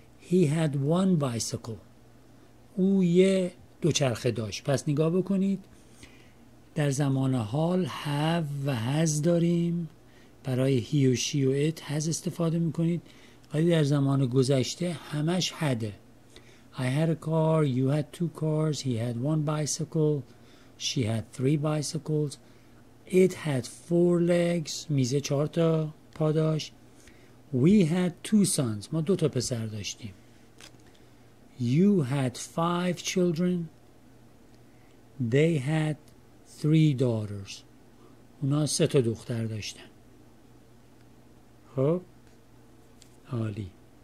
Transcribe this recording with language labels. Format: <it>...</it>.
<en>He had one bicycle.</en> <fa>او یه دوچرخه داشت. پس نگاه بکنید، در زمان حال have و has داریم. برای he و she و it has استفاده میکنید، ولی در زمان گذشته همش هده.</fa> <en>I had a car, you had two cars, he had one bicycle, she had three bicycles, it had four legs,</en> <fa>میزه چهار تا پا داشت.</fa> <en>We had two sons,</en> <fa>ما دو تا پسر داشتیم.</fa> <en>You had five children, they had three daughters.</en> <fa>اونا سه تا دختر داشتن. خب؟ عالی.</fa>